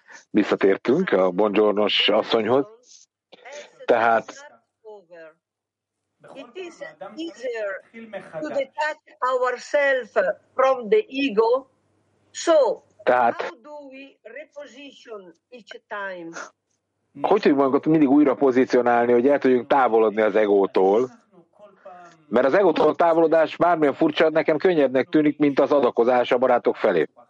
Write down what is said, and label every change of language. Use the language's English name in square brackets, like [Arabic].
[Hungarian] Visszatértünk a bonjornos asszonyhoz. Tehát [English] it is easier to detach ourselves from the ego. So, [Hungarian] tehát, [English] how do we reposition each time? [Hungarian] Hogy tudjuk magunkat mindig újra pozícionálni, hogy el tudjunk távolodni az egótól? Mert az egótól a távolodás bármilyen furcsa, nekem könnyebbnek tűnik, mint az adakozás a barátok felé.